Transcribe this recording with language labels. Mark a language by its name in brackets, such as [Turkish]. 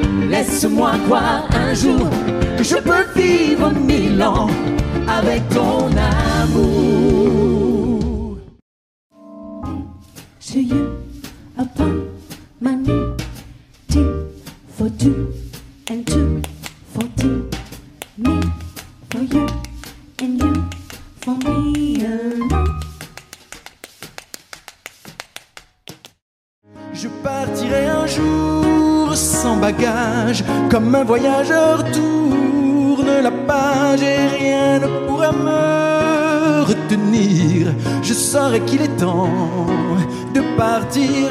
[French] Laisse-moi croire un jour que je peux vivre mille ans avec ton amour. [English] So you upon my knee, tea for two and two for tea. Me for you and you for me alone. [French] Je partirai un jour sans bagage, comme un voyageur tourne la page et rien ne pourra me retenir. Je saurai qu'il est temps de partir.